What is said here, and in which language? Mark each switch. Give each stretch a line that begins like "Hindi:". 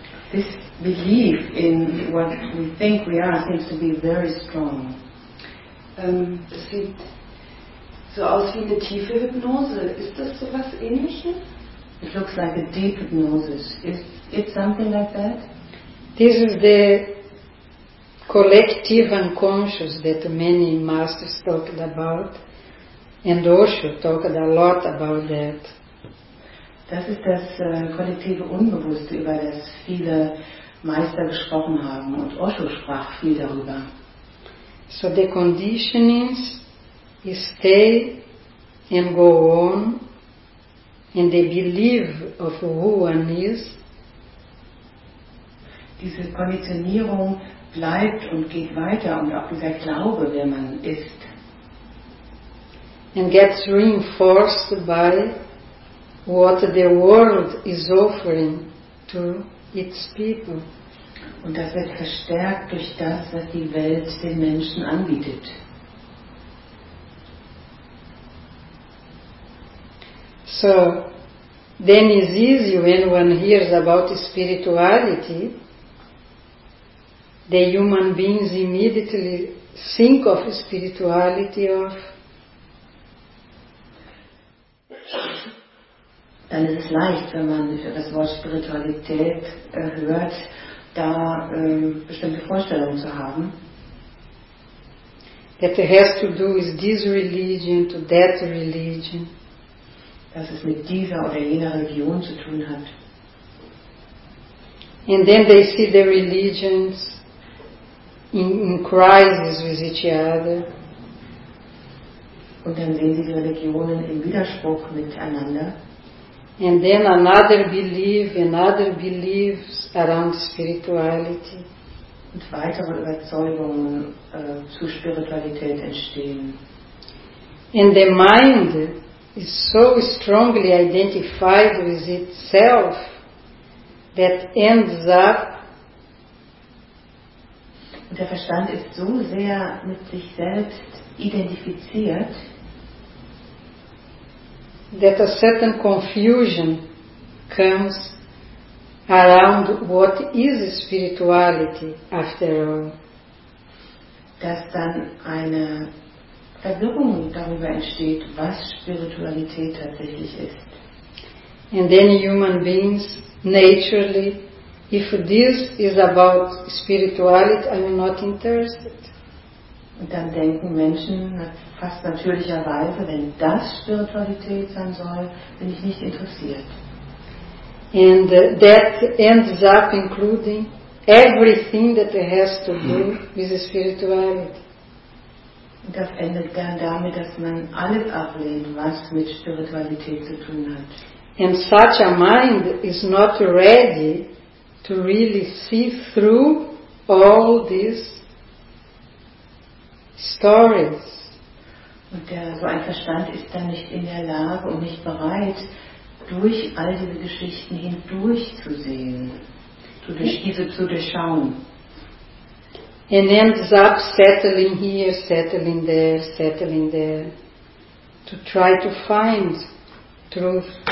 English: This belief in what we think we are seems to be very strong.
German: Es sieht so aus wie eine tiefe Hypnose. Ist das so was Ähnliches?
English: It looks like a deep hypnosis. Is it something like that? This is the collective unconscious that many masters talked about, and Osho talked a lot about that.
German: Das ist das kollektive Unbewusste, über das viele Meister gesprochen haben, und Osho sprach viel darüber.
English: So the conditionings stay and go on, and the belief of who one is.
German: Diese Konditionierung bleibt und geht weiter, und auch dieser Glaube, wer man ist.
English: And gets reinforced by what the world is offering to its people.
German: Und das wird verstärkt durch das, was die Welt den Menschen anbietet.
English: So, then it's easy when one hears about spirituality, the human beings immediately think of spirituality of...
German: Dann ist es leicht, wenn man das Wort Spiritualität hört, da bestimmte Vorstellungen zu haben.
English: That it has to do with this religion, to that religion.
German: Dass es mit dieser oder jener Religion zu tun hat.
English: And then they see the religions in crisis with each other.
German: Und dann sehen sie die Religionen im Widerspruch miteinander.
English: And then another beliefs around spirituality.
German: Und weitere Überzeugungen zu Spiritualität entstehen.
English: And the mind is so strongly identified with itself that ends up.
German: Und der Verstand ist so sehr mit sich selbst identifiziert,
English: that a certain confusion comes around what is spirituality after all.
German: Dass dann eine Verwirrung darüber entsteht, was Spiritualität tatsächlich ist.
English: And then human beings, naturally, if this is about spirituality, I'm not interested.
German: Und dann denken Menschen fast natürlicherweise, wenn das Spiritualität sein soll, bin ich nicht interessiert.
English: And that ends up including everything that has to do with spirituality.
German: Und das endet dann damit, dass man alles ablehnt, was mit Spiritualität zu tun hat.
English: And such a mind is not ready to really see through all these stories.
German: Und so ein Verstand ist dann nicht in der Lage und nicht bereit, durch all diese Geschichten hindurchzusehen, diese zu durchschauen.
English: And ends up settling here, settling there, to try to find truth.